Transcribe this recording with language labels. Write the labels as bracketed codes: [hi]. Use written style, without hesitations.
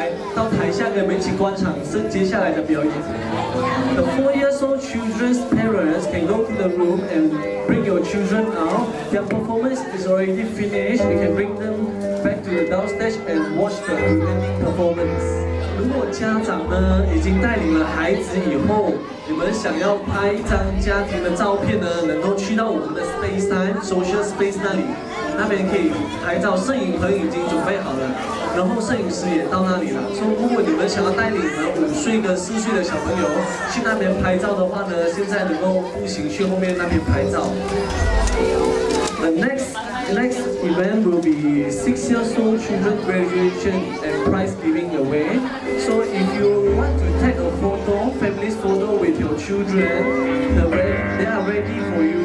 [zh] 谢谢我们四岁、五岁、六岁的小朋友所带给我们这首怀念经典的歌曲，让我们回味了以前当年的经典。接下来呢，我们四岁的小朋友表演已经结束了，所以四岁的小朋友的家长呢，能够到更衣间领取你们的，期待你们的孩子出来到台下跟我们一起观赏接下来的表演。 [en] The 4 years old children's parents can go to the room and bring your children out. Their performance is already finished. You can bring them back to the downstairs and watch the remaining performance. [zh] 如果家长呢已经带领了孩子以后，你们想要拍一张家庭的照片呢，能够去到我们的 space time social space 那里，那边可以拍照，摄影棚已经准备好了，然后摄影师也到那里了。所以如果你们想要带领了5岁跟4岁的小朋友去那边拍照的话呢，现在能够步行去后面那边拍照。 [en] The next event will be 6 years old children graduation and prize giving away. So if you want to take a photo, family's photo with your children, they are ready for you.